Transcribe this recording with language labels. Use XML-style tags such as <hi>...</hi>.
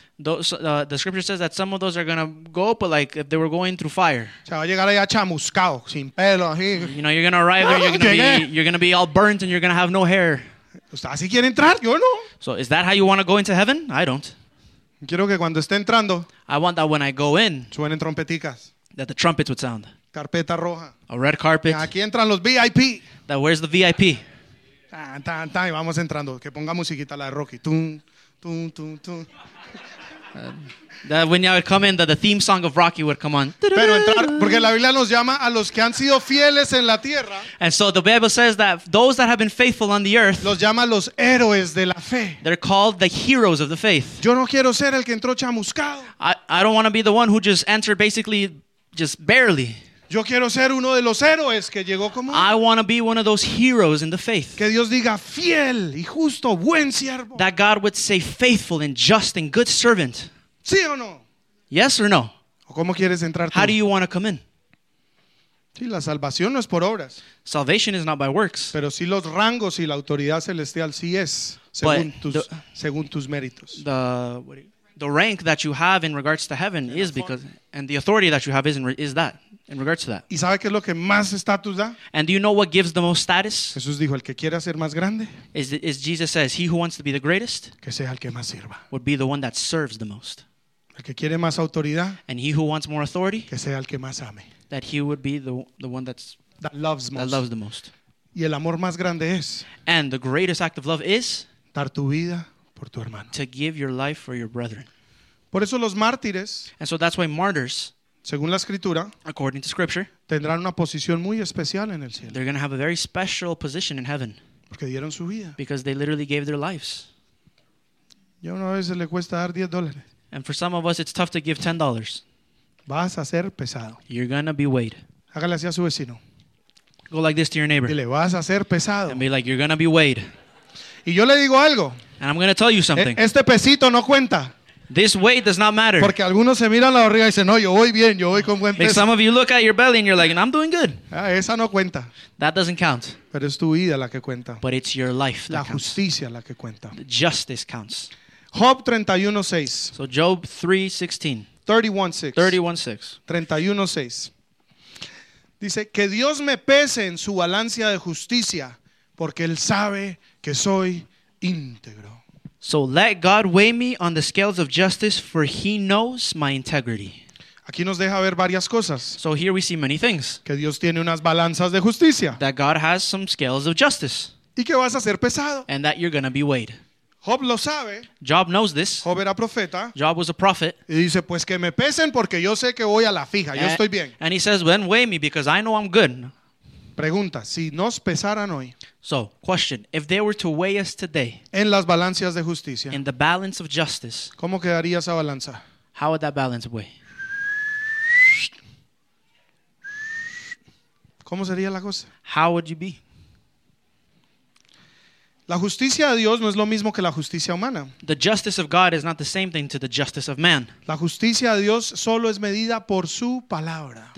<en>The scripture says that some of those are going to go, but like if they were going through fire.</en> <es>O sea, va a llegar allá chamuscado, sin pelo. Así.</es> <en>You know, you're going to arrive there, you're going to be all burnt and you're going to have no hair.</en> <es>¿Usted así quiere entrar? Yo no.</es> <en>So is that how you want to go into heaven? I don't.</en> <es>Quiero que cuando esté entrando.</es> <en>I want that when I go in.</en> <es>Suenen trompeticas.</es> <en>That the trumpets would sound.</en> <es>Carpeta roja.</es> <en>A red carpet.</en> <es>Aquí entran los VIP.</es> <en>That where's the VIP?</en> <es>Tan, tan, tan, y vamos entrando. Que ponga musiquita la de Rocky. Tum, tum, tum, tum.</es> <en>That when you would come in, that the theme song of Rocky would come on.</en> <es>Pero entrar, porque la Biblia nos llama a los que han sido fieles en la tierra.</es> <en>And so the Bible says that those that have been faithful on the earth.</en> <es>Los llama los héroes de la fe.</es> <en>They're called the heroes of the faith.</en> <es>Yo no quiero ser el que entró chamuscado.</es> <en>I don't want to be the one who just entered basically... Just barely.</en> <es>Yo quiero ser uno de los héroes que llegó como.</es> <en>I want to be one of those heroes in the faith.</en> <es>Que Dios diga fiel y justo, buen siervo.</es> <en>That God would say faithful and just and good servant.</en> <es>¿Sí o no?</es> <en>Yes or no?</en> <es>¿O cómo quieres entrar tú?</es> <en>How do you want to come in?</en> <es>Sí, la salvación no es por obras.</es> <en>Salvation is not by works.</en> <es>Pero sí los rangos y la autoridad celestial sí es, según tus méritos.</es> <en>The rank that you have in regards to heaven is because, and the authority that you have is that, in regards to that.</en> <es>¿Y sabe qué es lo que más status da?</es> <en>And do you know what gives the most status?</en> <es>Jesús dijo, el que quiera ser más grande,</es> <en>is Jesus says, he who wants to be the greatest,</en> <es>que sea el que más sirva.</es> <en>Would be the one that serves the most.</en> <es>El que quiere más autoridad,</es> <en>and he who wants more authority,</en> <es>que sea el que más ame.</es> <en>That he would be the one that's, that loves the most.</en> <es>Y el amor más grande es,</es> <en>and the greatest act of love is,</en> <es>dar tu vida. Por tu hermano.</es> <en>To give your life for your brethren.</en> <es>Por eso los mártires,</es> <en>and so that's why martyrs,</en> <es>según la escritura,</es> <en>according to scripture,</en> <es>tendrán una posición muy especial en el cielo.</es> <en>They're going to have a very special position in heaven.</en> <es>Porque dieron su vida.</es> <en>Because they literally gave their lives.</en> <es>Y a uno a veces le cuesta dar $10.</es> <en>And for some of us, it's tough to give $10.</en> <es>Vas a ser pesado.</es> <en>You're going to be weighed.</en> <es>Hágale así a su vecino.</es> <en>Go like this to your neighbor.</en> <es>Dile, vas a ser pesado.</es> <en>And be like, you're going to be weighed.</en> <es>Y yo le digo algo.</es> <en>And I'm going to tell you something.</en> <es>Este pesito no cuenta.</es> <en>This weight does not matter.</en> <es>Porque algunos se miran la barriga y dicen, no, yo voy bien, yo voy con buen peso.</es> <en>Like some of you look at your belly and you're like, I'm doing good.</en> <es>Esa no cuenta.</es> <en>That doesn't count.</en> <es>Pero es tu vida la que cuenta.</es> <en>But it's your life that counts.</en> <es>La justicia la que cuenta.</es> <en>Justice counts.</en> <es>Job 31:6.</es> <en>So Job 3:16. 31:6. 31:6. 31:6.</en> <es>Dice, que Dios me pese en su balance de justicia, porque Él sabe que soy íntegro.</es> <en>So let God weigh me on the scales of justice, for He knows my integrity.</en> <es>Aquí nos deja ver varias cosas.</es> <en>So here we see many things.</en> <es>Que Dios tiene unas balanzas de justicia.</es> <en>That God has some scales of justice.</en> <es>Y que vas a ser pesado.</es> <en>And that you're going to be weighed.</en> <es>Job lo sabe.</es> <en>Job knows this.</en> <es>Job era profeta.</es> <en>Job was a prophet.</en> <es>Y dice, pues que me pesen porque yo sé que voy a la fija. And, yo estoy bien.</es> <en>And he says, then weigh me because I know I'm good.</en> <es>Pregunta, si nos pesaran hoy.</es> <en>So, question, if they were to weigh us today.</en> <es>En las balanzas de justicia.</es> <en>In the balance of justice.</en> <es>¿Cómo quedaría esa balanza?</es> <en>How would that balance weigh?</en> <es>¿Cómo sería la cosa?</es> <en>How would you be?</en> <es>La justicia de Dios no es lo mismo que la justicia humana.</es> <en>The justice of God is not the same thing to the justice of man.</en> <es>La justicia de Dios solo es medida por su palabra.</es>